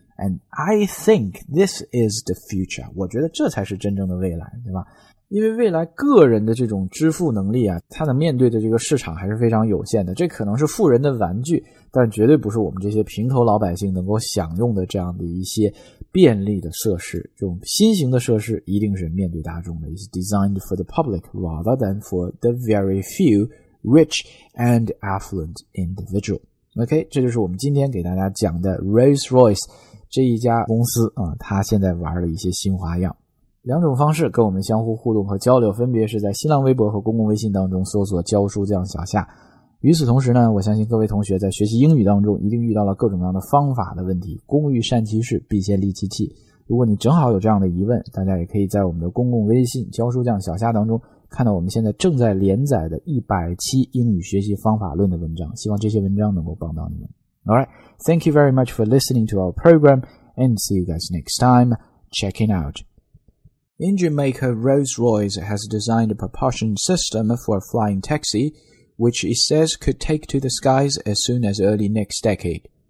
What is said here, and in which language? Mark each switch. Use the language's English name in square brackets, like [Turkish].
[English] And I think this is the future， [Chinese] 我觉得这才是真正的未来，对吧？因为未来个人的这种支付能力啊，它的面对的这个市场还是非常有限的，这可能是富人的玩具，但绝对不是我们这些平头老百姓能够享用的这样的一些便利的设施。这种新型的设施一定是面对大众的， [English] It's designed for the public rather than for the very few rich and affluent individual. [Chinese] OK， 这就是我们今天给大家讲的 Rolls-Royce 这一家公司啊，它现在玩了一些新花样。两种方式跟我们相互互动和交流，分别是在新浪微博和公共微信当中搜索教书匠小夏。与此同时呢，我相信各位同学在学习英语当中一定遇到了各种各样的方法的问题，工欲善其事，必先利其器。如果你正好有这样的疑问，大家也可以在我们的公共微信教书匠小夏当中看到我们现在正在连载的100期英语学习方法论的文章，希望这些文章能够帮到你们。 [English] Alright, thank you very much for listening to our program and see you guys next time. Checking out. Engine maker Rolls-Royce has designed a propulsion system for a flying taxi, which it says could take to the skies as soon as early next decade.